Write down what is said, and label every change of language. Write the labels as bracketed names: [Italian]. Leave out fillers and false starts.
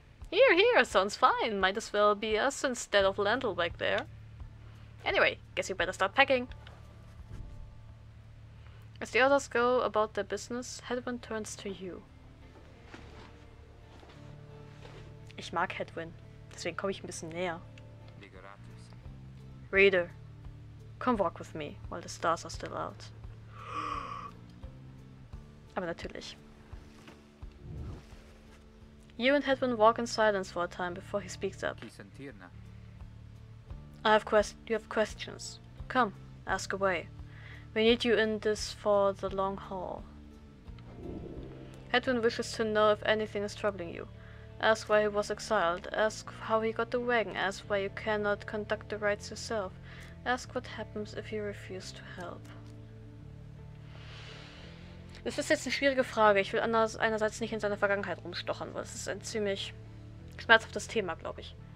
[English] Here, here, sounds fine. Might as well be us instead of Lentil back there. Anyway, guess you better start packing. As the others go about their business, Hedwyn turns to you. [German] Ich mag Hedwyn, deswegen komme ich ein bisschen näher. [English] Reader, come walk with me while the stars are still out. [German] Aber natürlich. [English] You and Hedwyn walk in silence for a time before he speaks up. You have questions. Come, ask away. We need you in this for the long haul. Hedwyn wishes to know if anything is troubling you. Ask why he was exiled. Ask how he got the wagon. Ask why you cannot conduct the rites yourself. Ask what happens if you refuse to help. [German] Das ist jetzt eine schwierige Frage. Ich will einerseits nicht in seiner Vergangenheit rumstochern, weil es ist ein ziemlich schmerzhaftes Thema, glaube ich.